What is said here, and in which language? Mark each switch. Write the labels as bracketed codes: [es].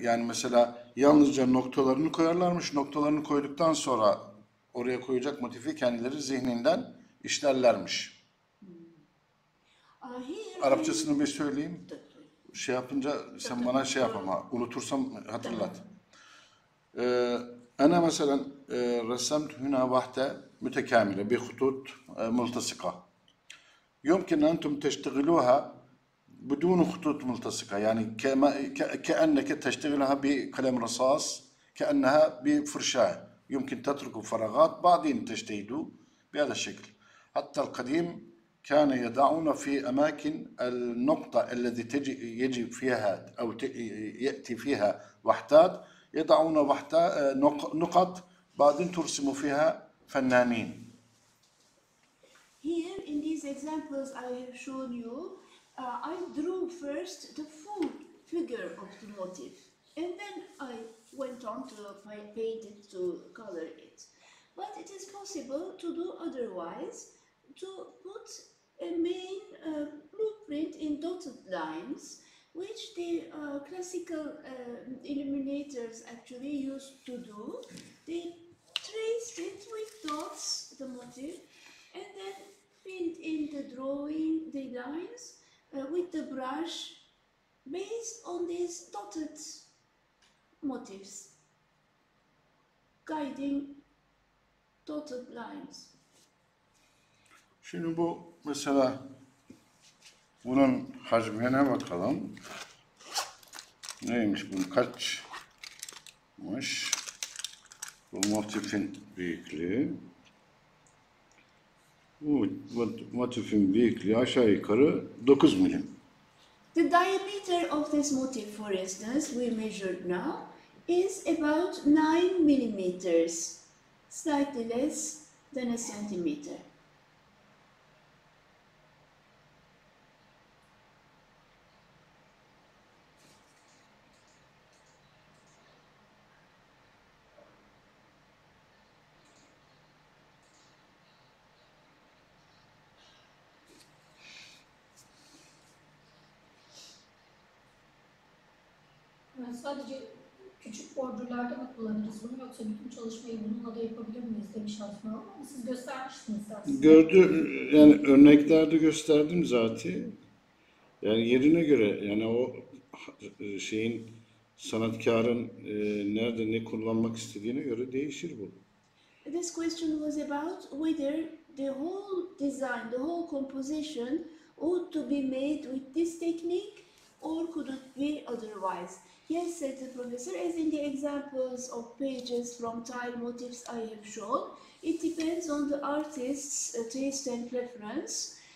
[tr] Yani mesela yalnızca noktalarını koyarlarmış. Noktalarını koyduktan sonra oraya koyacak motifi kendileri zihninden işlerlermiş. Arapçasını bir söyleyeyim. Şey yapınca sen bana şey yap ama unutursam hatırlat. [ar] أنا مثلا رسمت هنا واحدة متكاملة بخطوط ملتصقة يمكن أنتم تشتغلوها بدون خطوط ملتصقة يعني كأنك تشتغلها بقلم رصاص كأنها بفرشاة يمكن تترك فراغات بعدين تجتهدوا بهذا الشكل حتى القديم كان يضعون في أماكن النقطة التي يجي فيها أو يأتي فيها وحدات يضعون وحدة نقط بعدين ترسم فيها فنانين. [en] Here in these examples I have shown you, I drew first the full figure of the motif, and then I went on to paint it, to color it. But it is possible to do otherwise, to put a main blueprint in dotted lines. Which the classical illuminators actually used to do, they traced it with dots, the motif, and then filled in the drawing, the lines, with the brush, based on these dotted motifs, guiding dotted lines. [tr] Şimdi bu mesela bunun hacmine bakalım. Neymiş bu? Kaçmış? Bu motifin büyüklüğü. Bu motifin büyüklüğü aşağı yukarı 9 milim. [en] The diameter of this motif, for instance, we measured now, is about 9 millimeters, slightly less than a centimeter. [tr] Sadece küçük bordürlerde mi kullanırız bunu, yoksa bütün çalışmayı bununla da yapabilir miyiz demiş Hatma, ama siz göstermiştiniz aslında. Gördüm, yani örneklerde gösterdim zaten. Yani yerine göre, yani o şeyin, sanatkarın nerede ne kullanmak istediğine göre değişir bu. [en] This question was about whether the whole design, the whole composition ought to be made with this technique or could it be otherwise? Yes, said the professor, as in the examples of pages from tile motifs I have shown, it depends on the artist's taste and preference.